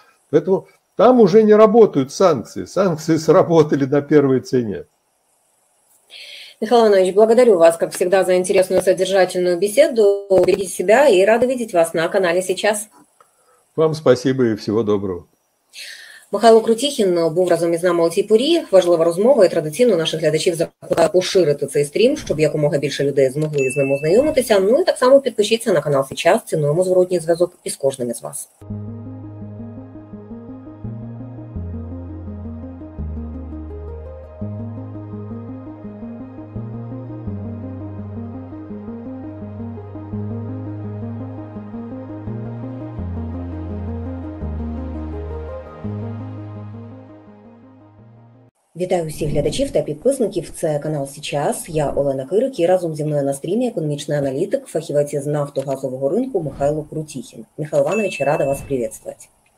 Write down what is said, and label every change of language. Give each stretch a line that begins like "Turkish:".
Russian: Поэтому там уже не работают санкции. Санкции сработали на первой цене. Михаил Иванович, благодарю вас, как всегда, за интересную содержательную беседу. Берегите себя и рада видеть вас на канале сейчас. Вам спасибо и всего доброго.
Ukrainian: Михайло Крутихін був разом із нами у цій порі. Важлива розмова і традиційно наших глядачів закликає поширити цей стрім, щоб якомога більше людей змогли з ним ознайомитися. Ну і так само підпишіться на канал «Сейчас», цінуємо зворотній зв'язок із кожним із вас. Вітаю всіх глядачів та підписників. Це канал «Сейчас». Я Олена Кирик і разом зі мною на стрімі економічний аналітик, фахівець із нафтогазового ринку Михайло Крутихін.
Russian: Михайло Иванович, рада вас приветствовать.